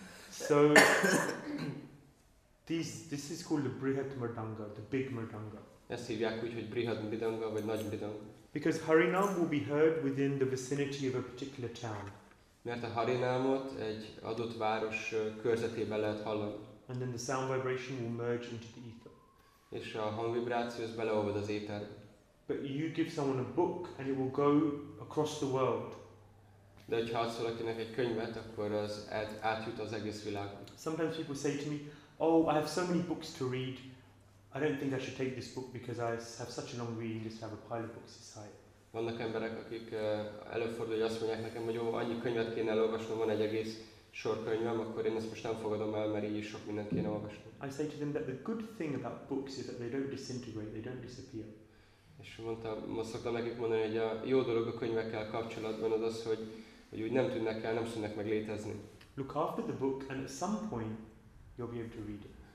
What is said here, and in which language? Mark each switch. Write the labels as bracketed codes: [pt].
[en] So this is called the Brihat Mridanga, the big mridanga. [hu] Ezt hívják úgy, hogy Brihat Mridanga vagy nagy mridanga. [en] Because Harinam will be heard within the vicinity of a particular town. [hu] Mert a Harinamot egy adott város körzetében lehet hallani. [en] And then the sound vibration will merge into the ether. [hu] És a hangvibráció az beleolvad az éter. [en] But you give someone a book and it will go across the world. [hu] De hogyha adsz valakinek egy könyvet, akkor az átjut az egész világon. [en] Sometimes people say to me, oh, I have so many books to read, I don't think I should take this book because I have such a long reading list, I have a pile of books inside. [hu] Vannak emberek, akik előfordul, hogy azt mondják nekem, hogy annyi könyvet kéne elolvasnom, van egy egész sor könyvem, akkor én ezt most nem fogadom el, mert így is sok mindent kéne olvasni. [en] I say to them that the good thing about books is that they don't disintegrate, they don't disappear. [hu] És most szoktam nekik mondani, hogy a jó dolog a könyvekkel kapcsolatban az, hogy úgy nem tűnnek el, nem szűnnek meg létezni. [en] Look after the book and at some point you'll be able to read it.